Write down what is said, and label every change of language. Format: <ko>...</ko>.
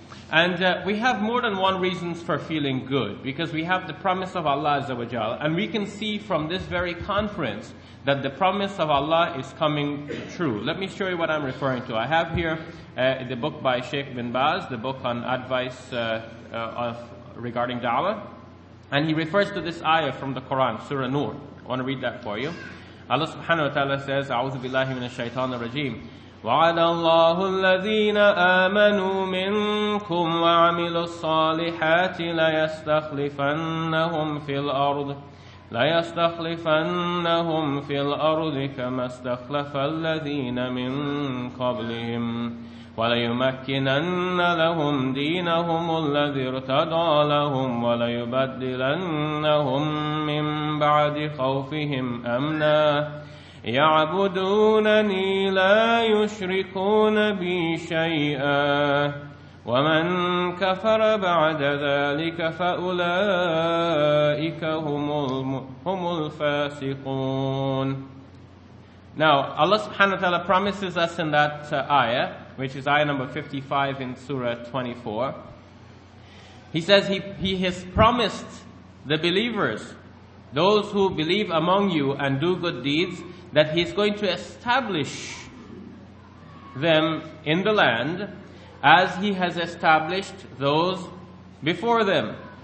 <en>And we have more than one reasons for feeling good, because we have the promise of Allah Azza wa Jal, and we can see from this very conference that the promise of Allah is coming true. Let me show you what I'm referring to. I have here the book by Sheikh bin Baz, the book on advice regarding da'wah. And he refers to this ayah from the Quran, Surah Nur. I want to read that for you. Allah subhanahu wa ta'ala says, A'udhu billahi minash shaitanir rajim.</en> <ar>وعد الله الذين آمنوا منكم وعملوا الصالحات ليستخلفنهم في الأرض كما استخلف الذين من قبلهم وليمكنن لهم دينهم الذي ارتضى لهم وليبدلنهم من بعد خوفهم أمنا يعبدونني لا يشركون بي شيئا ومن كفر بعد ذلك فأولئك هم الفاسقون.</ar> <en>Now Allah subhanahu wa ta'ala promises us in that ayah, which is ayah number 55 in Surah 24, He says He has promised the believers, those who believe among you and do good deeds, that He is going to establish them in the land as He has established those before them.</en>